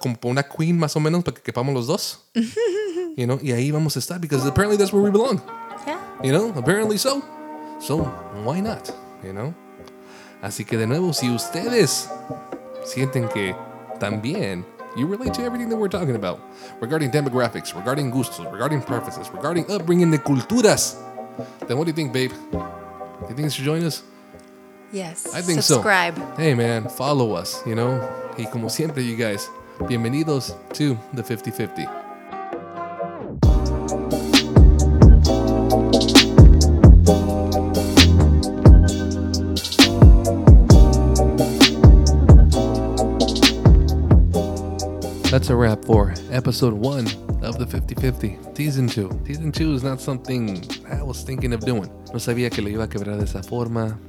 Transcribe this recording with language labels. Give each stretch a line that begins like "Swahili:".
Spanish: Como una queen, más o menos, para que quepamos los dos.
English: You know,
Spanish: y ahí vamos a estar,
English: because apparently that's where we belong. Yeah. You know, apparently so. So, why not? You know?
Spanish: Así que de nuevo, si ustedes sienten que también...
English: You relate to everything that we're talking about regarding demographics, regarding gustos, regarding preferences, regarding upbringing
Spanish: de culturas.
English: Then what do you think, babe? Do you think you should join us? Yes. I think subscribe. So. Hey, man, follow us, you know?
Spanish: Y como siempre,
English: you guys, bienvenidos to the 50-50. That's a wrap for episode 1 of the 50-50, season 2. Season 2 is not something I was thinking of doing.
Spanish: No sabía que lo iba a quebrar de esa forma.